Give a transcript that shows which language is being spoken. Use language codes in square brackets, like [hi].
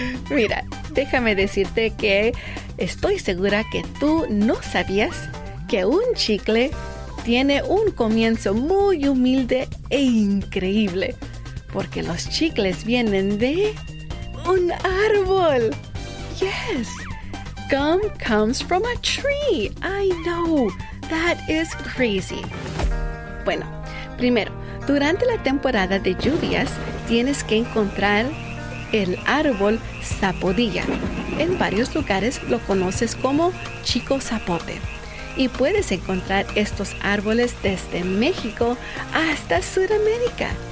[es] Mira, déjame decirte que estoy segura que tú no sabías que un chicle tiene un comienzo muy humilde e increíble, porque los chicles vienen de un árbol. [en] Yes, gum comes from a tree. I know, that is crazy. [es] Bueno, primero, durante la temporada de lluvias, tienes que encontrar el árbol zapodilla. En varios lugares lo conoces como chico zapote. Y puedes encontrar estos árboles desde México hasta Sudamérica.